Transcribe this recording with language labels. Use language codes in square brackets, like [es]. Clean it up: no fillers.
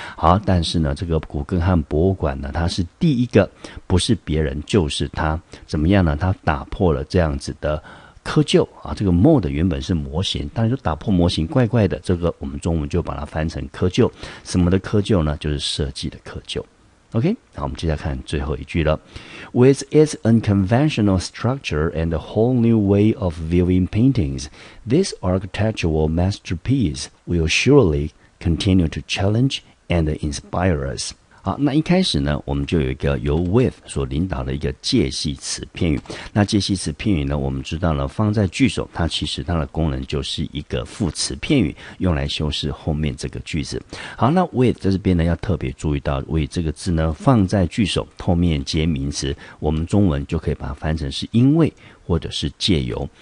[zh] 好，但是呢，这个古根汉博物馆呢，它是第一个，不是别人就是它，怎么样呢？它打破了这样子的窠臼啊，这个 mold 原本是模型，当然就打破模型怪怪的，这个我们中文就把它翻成窠臼。什么的窠臼呢？就是设计的窠臼。OK， 好，我们接下来看最后一句了。 [en] With its unconventional structure and a whole new way of viewing paintings, this architectural masterpiece will surely continue to challenge and inspire us。 [zh] 好，那一开始呢，我们就有一个由 with 所领导的一个介系词片语。那介系词片语呢，我们知道了放在句首，它其实它的功能就是一个副词片语，用来修饰后面这个句子。好，那 with 在这边呢，要特别注意到 with 这个字呢，放在句首后面接名词，我们中文就可以把它翻成是因为或者是借由。